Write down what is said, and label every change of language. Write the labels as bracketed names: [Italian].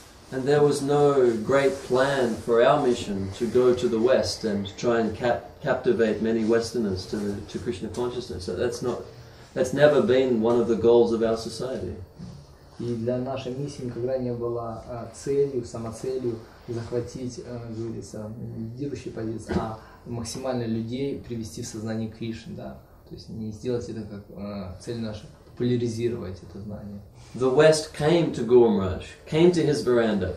[English] And there was no great plan for our mission to go to the West and try and captivate many Westerners to Krishna consciousness. So that's never been one of the goals of our society. [Russian] И для нашей миссии никогда не было целью, самоцелью захватить, говорится, лидирующие позиции, а максимально людей привести в сознание Кришны, да. То есть не сделать это как цель наша, популяризировать это знание. [English] The West came to Guru Maharaj, came to his veranda.